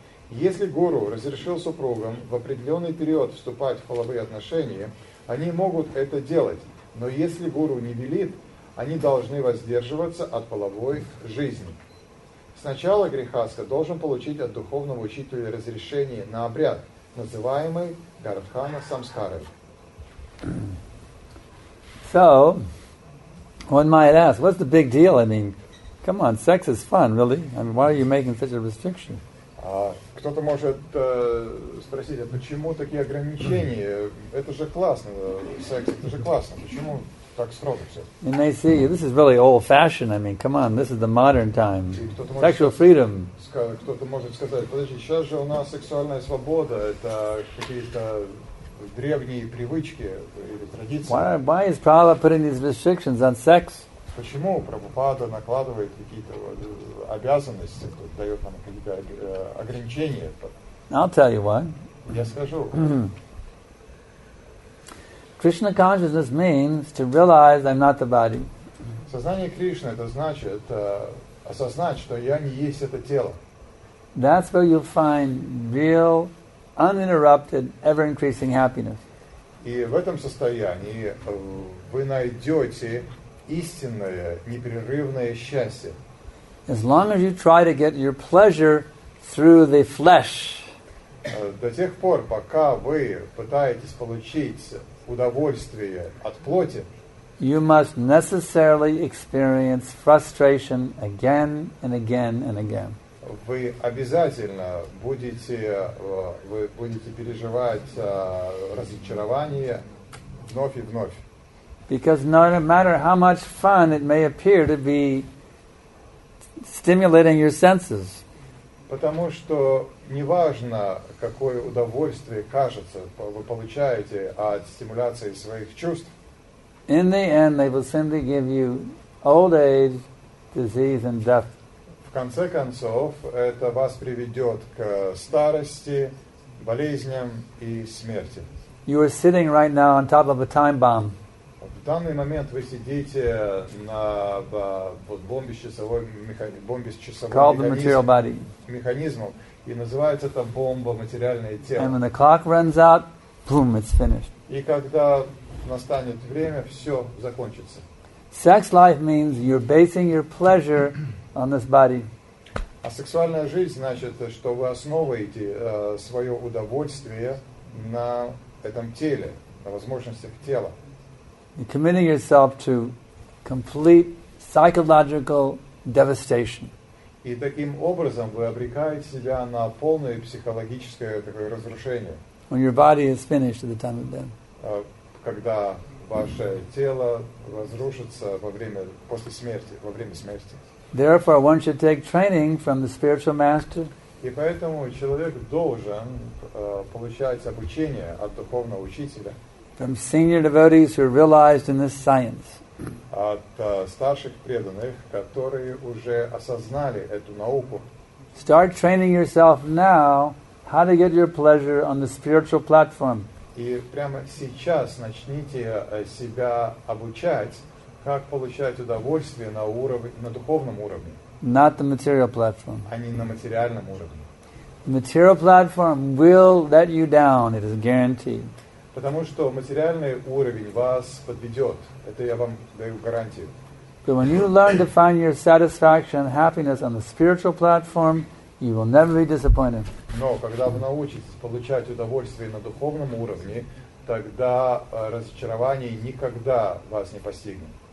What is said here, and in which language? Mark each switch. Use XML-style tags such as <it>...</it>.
<ru>Если гуру разрешил супругам в определенный период вступать в половые отношения, они могут это делать, но если гуру не велит, они должны воздерживаться от половой жизни. Сначала грихастха должен получить от духовного учителя разрешение на обряд, называемый Гардхана Самскарой.</ru> <en>So, one might ask, what's the big deal? I mean, come on, sex is fun, really. I mean, why are you making such a restriction?</en> <ru>Кто-то может спросить, а почему такие ограничения? Это же классно, секс, это же классно. Почему?</ru> <en>And they see, this is really old-fashioned, I mean, come on, this is the modern time. Sexual freedom.</en> <ru>Кто-то может сказать, подожди, сейчас же у нас сексуальная свобода, это какие-то древние привычки или традиции.</ru> <en>Why is Prabhupada putting these restrictions on sex?</en> <ru>Почему Прабхупада накладывает какие-то обязанности, дает нам какие-то ограничения?</ru> <en>I'll tell you why.</en> <ru>Я скажу.</ru> <en>Krishna consciousness means to realize I'm not the body.</en> <ru>Сознание Кришны это значит осознать, что я не есть это тело.</ru> <en>That's where you find real, uninterrupted, ever-increasing happiness.</en> <ru>И в этом состоянии вы найдете истинное, непрерывное счастье.</ru> <en>As long as you try to get your pleasure through the flesh.</en> <ru>До тех пор, пока вы пытаетесь получить удовольствие от плоти,</ru> <en>you must necessarily experience frustration again and again and again.</en> <ru>Вы обязательно будете, вы будете переживать разочарование вновь и вновь.</ru> <en>Because no matter how much fun it may appear to be stimulating your senses.</en> <ru>Потому что неважно, какое удовольствие кажется, вы получаете от стимуляции своих чувств.</ru> <en>In the end, they will simply give you old age, disease, and death.</en> <ru>В конце концов, это вас приведет к старости, болезням и смерти.</ru> <en>You are sitting right now on top of a time bomb.</en> <ru>В данный момент вы сидите на бомбе с часовой механизмом.</ru> <en>Called the material body.</en> <ru>Механизмом, и называется это бомба материальное тело.</ru> <en>And when the clock runs out, boom, it's finished.</en> <ru>И когда настанет время, все закончится.</ru> <en>Sex life means you're basing your pleasure on this body.</en> <ru>А сексуальная жизнь значит, что вы основываете свое удовольствие на этом теле, на возможностях тела.</ru> <en>You're committing yourself to complete psychological devastation.</en> <ru>И таким образом вы обрекаете себя на полное психологическое такое разрушение.</ru> <en>When your body is finished at the time of death.</en> <ru>Когда ваше тело разрушится во время, после смерти, во время смерти.</ru> <en>Therefore, one should take training from the spiritual master.</en> <ru>И поэтому человек должен получать обучение от духовного учителя.</ru> <en>From senior devotees who are realized in this science.</en> <ru>От старших преданных, которые уже осознали эту науку.</ru> <en>Start training yourself now how to get your pleasure on the spiritual platform.</en> <ru>И прямо сейчас начните себя обучать, как получать удовольствие на уровне, на духовном уровне.</ru> <en>Not the material platform.</en> <ru>А не на материальном уровне.</ru> <en>The material platform will let you down, it is guaranteed.</en> <ru>Потому что материальный уровень вас подведет. Это я вам даю гарантию.</ru> <en>But when you learn to find your satisfaction and happiness on the spiritual platform, you will never be disappointed.</en> <ru>Но когда вы научитесь получать удовольствие на духовном уровне, тогда разочарование никогда вас не постигнет.</ru>